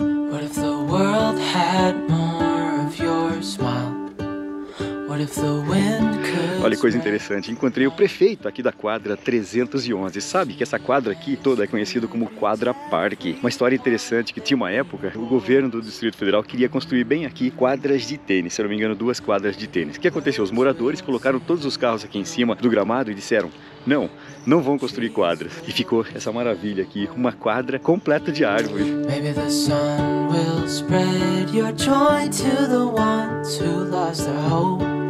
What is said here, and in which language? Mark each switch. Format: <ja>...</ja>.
<en>What if the world had more of your smile? What if the wind could...</en> <pt>Olha que coisa interessante, encontrei o prefeito aqui da quadra 311. Sabe que essa quadra aqui toda é conhecida como Quadra Parque. Uma história interessante que tinha uma época, o governo do Distrito Federal queria construir bem aqui quadras de tênis, se não me engano, duas quadras de tênis. O que aconteceu? Os moradores colocaram todos os carros aqui em cima do gramado e disseram: não, não vão construir quadras. E ficou essa maravilha aqui, uma quadra completa de árvore.</pt> <en>Maybe the sun will spread your joy to the ones who lost their hope.</en>